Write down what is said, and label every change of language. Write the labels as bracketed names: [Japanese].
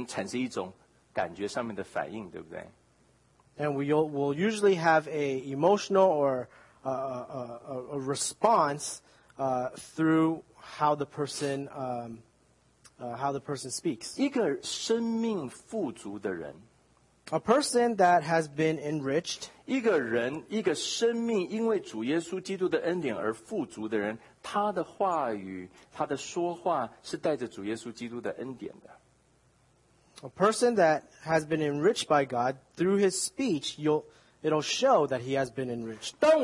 [Chinese] 事实上多半是因为他们讲的话、用的字和他们的态度、语气，我们会对这个人产生一种感觉上面的反应，对不对？ [English] And we'll usually have an emotional or a response through how the person speaks. [Chinese] 一个生命富足的人。 [English] A person that has been enriched. [Chinese] 一个人，一个生命，因为主耶稣基督的恩典而富足的人，他的话语，他的说话是带着主耶稣基督的恩典的。 [English] A person that has been enriched by God through his speech, it'll show that he has been enriched.